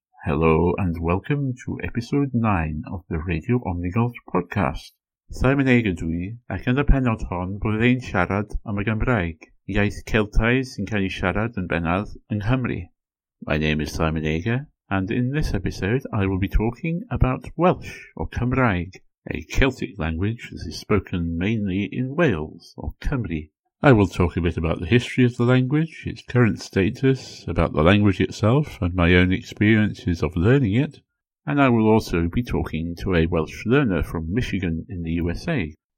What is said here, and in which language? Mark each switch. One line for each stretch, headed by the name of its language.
English: Hello and welcome to episode 9 of the Radio Omniglot podcast.
Welsh: Cymraeg ydw I, ac yn y penod hon bydd ein siarad am y Gymraeg, iaith Celtaidd sy'n cael ei siarad yn bennaf yng Nghymru.
English: My name is Cymraeg, and in this episode I will be talking about Welsh, or Cymraeg, a Celtic language that is spoken mainly in Wales, or Cymru. I will talk a bit about the history of the language, its current status, about the language itself, and my own experiences of learning it, and I will also be talking to a Welsh learner from Michigan in the USA.